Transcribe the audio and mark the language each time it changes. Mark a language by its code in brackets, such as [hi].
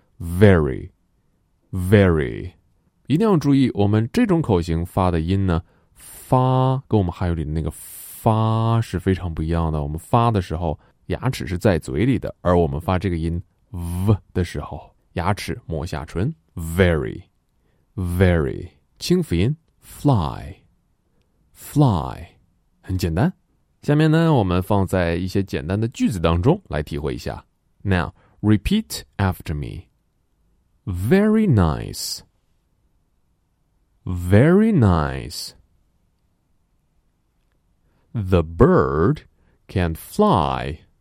[en] very， very， [zh] 一定要注意，我们这种口型发的音呢，发跟我们汉语里的那个发是非常不一样的。我们发的时候，牙齿是在嘴里的，而我们发这个音 v 的时候，牙齿抹下唇。 [en] very， very， [zh] 清辅音 [en] fly， fly， [zh] 很简单。下面呢，我们放在一些简单的句子当中来体会一下。 [en] Now, repeat after me. Very nice. Very nice. The bird can fly.